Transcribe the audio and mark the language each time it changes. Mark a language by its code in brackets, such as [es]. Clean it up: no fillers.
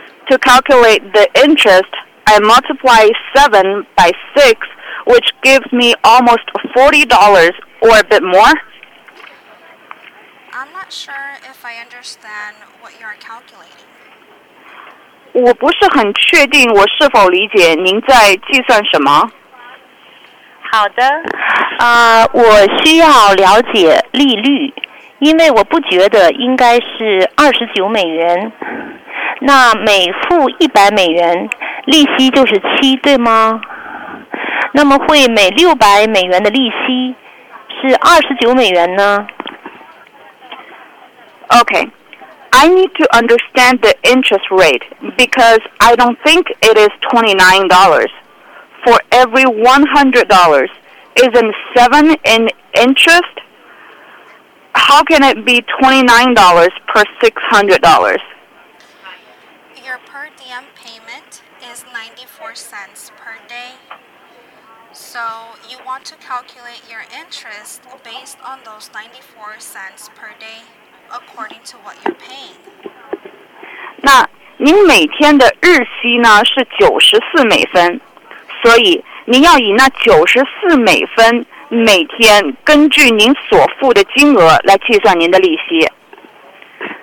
[en] To calculate the interest, I multiply 7 by 6, which gives me almost $40 or a bit more. I'm not sure if I understand what you're calculating. [zh] 我不是很确定我是否理解您在计算什么。好的，我需要了解利率，因为我不觉得应该是$29。那每付$100，利息就是7，对吗？那么会每$600的利息是$29呢？ [en] OK, I need to understand the interest rate because I don't think it is $29. For every $100, isn't 7 in interest? How can it be $29 per $600? Per diem payment is 94 cents per day. So you want to calculate your interest based on those 94 cents per day according to what you're paying. [zh] 那您每天的日息呢是94美分，所以您要以那94美分每天根据您所付的金额来计算您的利息。